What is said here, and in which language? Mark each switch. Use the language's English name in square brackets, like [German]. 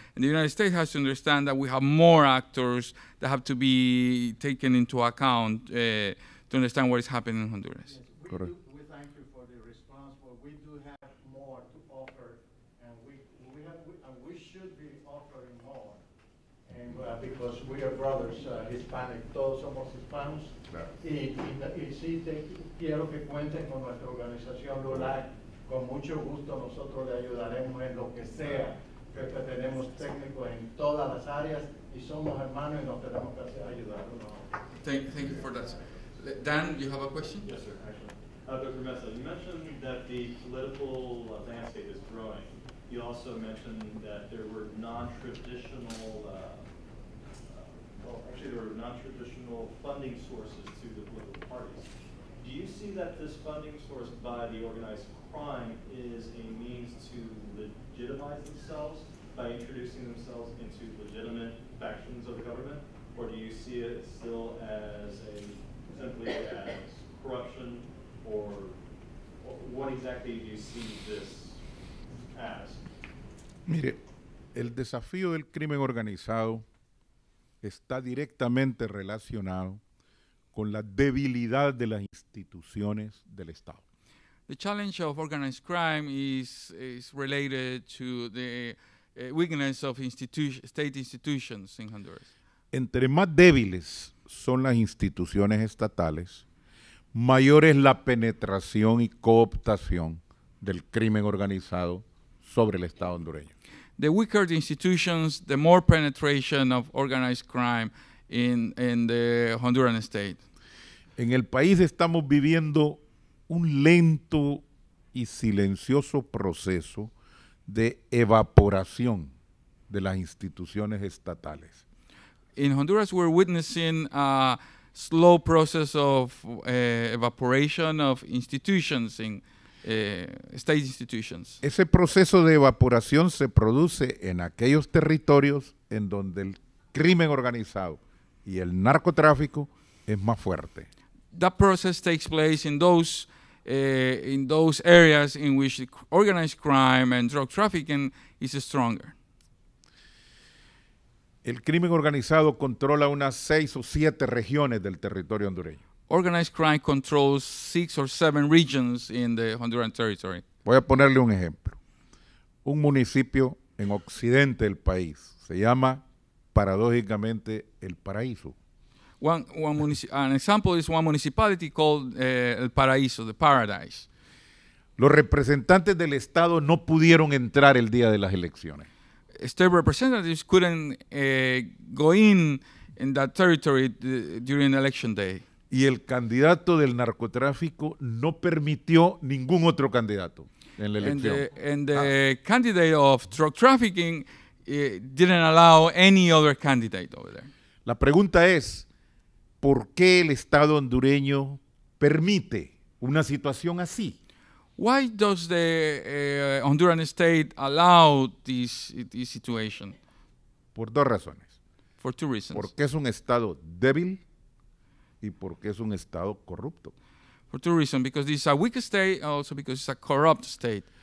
[English] And the United States has to understand that we have more actors that have to be taken into account to understand what is happening in Honduras. Yes, we thank you for the response, but we do have more to offer, and we should be offering more. And because we are brothers, Hispanic, [Spanish] todos somos hispanos. Y sí, quiero que cuenten con nuestra organización LULAC. Con mucho gusto nosotros le ayudaremos en lo que sea, que tenemos técnicos en todas las áreas y somos hermanos y nos tenemos que ayudar. [English] Thank you for that. Dan, you have a question? Yes, sir. Dr. Meza, you mentioned that the political landscape is growing. You also mentioned that there were non-traditional funding sources to the political parties. Do you see that this funding source by the organized crime is a means to legitimize themselves by introducing themselves into legitimate factions of the government? Or do you see it still as simply as corruption? Or what exactly do you see this as? [Spanish] Mire, el desafío del crimen organizado está directamente relacionado con la debilidad de las instituciones del Estado. [English] The challenge of organized crime is related to the weakness of state institutions in Honduras. [Spanish] Entre más débiles son las instituciones estatales, mayor es la penetración y cooptación del crimen organizado sobre el Estado hondureño. [English] The weaker the institutions, the more penetration of organized crime in the Honduran state. [Spanish] En el país estamos viviendo un lento y silencioso proceso de evaporación de las instituciones estatales. [English] In Honduras, we're witnessing a slow process of evaporation of institutions in state institutions. [Spanish] Ese proceso de evaporación se produce en aquellos territorios en donde el crimen organizado y el narcotráfico es más fuerte. [English] That process takes place in those areas in which organized crime and drug trafficking is stronger. [Spanish] El crimen organizado controla unas 6 o 7 regiones del territorio hondureño. [English] Organized crime controls 6 or 7 regions in the Honduran territory. [Spanish] Voy a ponerle un ejemplo. Un municipio en occidente del país se llama, paradójicamente, El Paraíso. [English] An example is one municipality called El Paraíso, the Paradise. [Spanish] Los representantes del Estado no pudieron entrar el día de las elecciones. [English] State representatives couldn't go in that territory during election day. [Spanish] Y el candidato del narcotráfico no permitió ningún otro candidato en la elección. [English] Candidate of drug trafficking didn't allow any other candidate over there. [Spanish] La pregunta es, ¿por qué el Estado hondureño permite una situación así? [English] Why does the Honduran state allow this situation? [Spanish] Por dos razones. [English] For two reasons. [Spanish] Porque es un estado débil y porque es un estado corrupto. [English] For two reasons, because this is a weak state, also because it's a corrupt state.